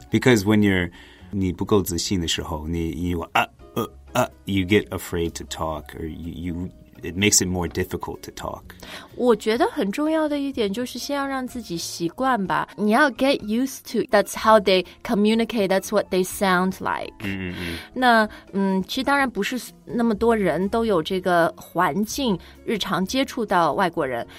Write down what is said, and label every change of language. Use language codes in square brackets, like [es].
[en] Because when you're, 你不够自信的时候 you get afraid to talk, or it makes it more difficult to talk. [zh] 我觉得很重要的一点就是先要让自己习惯吧。 [en] 你要 get used to, that's how they communicate, that's what they sound like. [zh] 那其实当然不是那么多人都有这个环境日常接触到外国人。